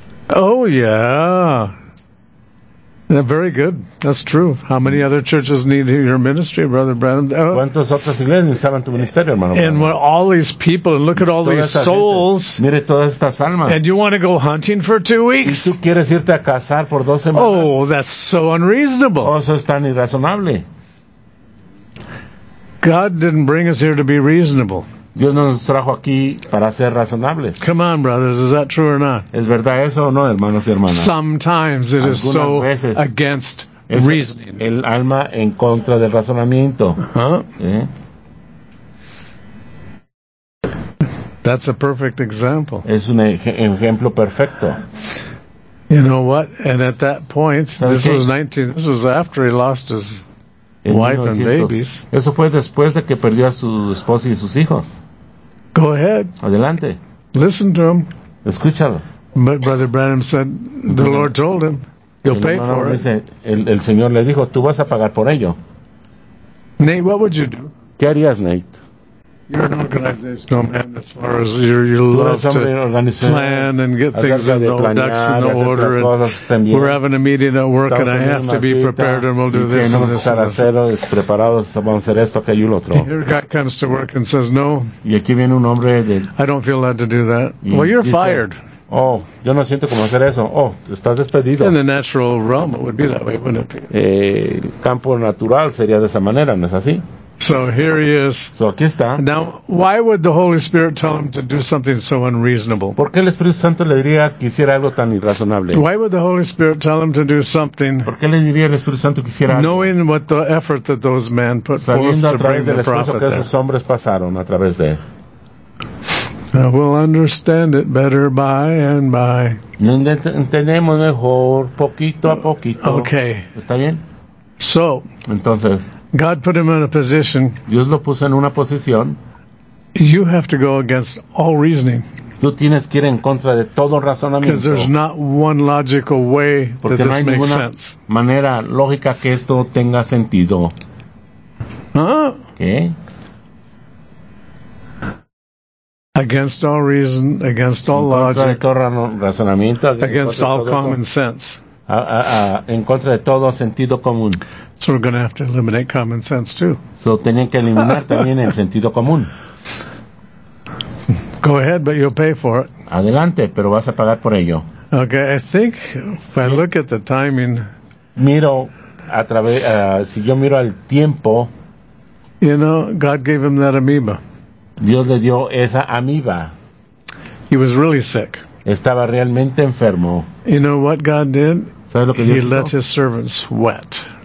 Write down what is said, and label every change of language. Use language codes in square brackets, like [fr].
[en] Oh, yeah. Yeah. Very good. That's true. How many other churches need your ministry, Brother Branham? [es] ¿Cuántas otras iglesias necesitan tu ministerio, hermano? [en] And what all these people, and look at all these souls. [es] Mire todas estas almas. [en] And you want to go hunting for 2 weeks? [es] ¿Y tú quieres irte a cazar por 2 semanas? [en] Oh, that's so unreasonable. [es] Oh, eso es tan irrazonable. [en] God didn't bring us here to be reasonable. [es] Dios no nos trajo aquí para ser razonables. [en] Come on, brothers, is that true or not? [es] ¿Es verdad eso o no, hermanos y hermanas? [en] Sometimes it is so against reasoning. [es] El alma en contra del razonamiento. Uh-huh. ¿Eh? [en] That's a perfect example. [es] Es un ejemplo perfecto. [en] You know what? And at that point, this was 19. This was after he lost his wife and babies. [es] Eso fue después de que perdió a su esposa y sus hijos. [en] Go ahead. [es] Adelante. [en] Listen to him. [es] Escúchalo. [en] But Brother Branham said the Lord told him, you'll pay for it. [es] El Señor le dijo, tú vas a pagar por ello. [en] Nate, what would you do? [es] ¿Qué harías, Nate? [en] You're an organizational man as far as you love to plan and get things in the ducks in order. And we're having a meeting at work and I have to be prepared and we'll do this and this. [es] Estar aceros, preparados, vamos a hacer esto, aquello, otro. [en] Here a guy comes to work and says, no, [es] y aquí viene un hombre de, [en] I don't feel allowed to do that. Well, you're fired. [es] Oh, yo no siento como hacer eso. Oh, estás despedido. [en] In the natural realm, it would be that way, wouldn't it? [es] Campo natural sería de esa manera, ¿no es así? [en] So here he is. [es] So aquí está. [en] Now, why would the Holy Spirit tell him to do something so unreasonable? [es] ¿Por qué el Espíritu Santo le diría que hiciera algo tan irrazonable? [en] Why would the Holy Spirit tell him to do something? [es] ¿Por qué le diría el Espíritu Santo que hiciera algo? [en] Knowing what the effort that those men put forth to bring the prophet there. [es] Sabiendo el esfuerzo que esos hombres pasaron a través de él. [en] We'll understand it better by and by. [es] Entendemos mejor poquito a poquito. [en] Okay. [es] ¿Está bien? [en] So, [es] entonces, [en] God put him in a position. [es] Dios lo puso en una posición. [en] You have to go against all reasoning. [es] Tú tienes que ir en contra de todo razonamiento. [en] Because there's not one logical way [es] porque [en] that this [es] hay [en] makes [es] ninguna [en] sense. [es] Manera lógica que esto tenga sentido. Huh? ¿Qué? [en] Against all reason, against all logic, [es] de todo razonamiento, [en] against [es] todo [en] all common sense. [es] En contra de todo sentido común. [en] So we're going to have to eliminate common sense too. [es] So tenían que eliminar también el sentido común. [en] Go ahead, but you'll pay for it. [es] Adelante, pero vas a pagar por ello. [en] Okay, I think if I look at the timing. [es] Miro a través, si yo miro al tiempo. [en] You know, God gave him that amoeba. [es] Dios le dio esa amoeba. [en] He was really sick. [es] Estaba realmente enfermo. [en] You know what God did? [es] ¿Sabes lo que Dios [en] He [es] hizo? [en] Let his servant sweat.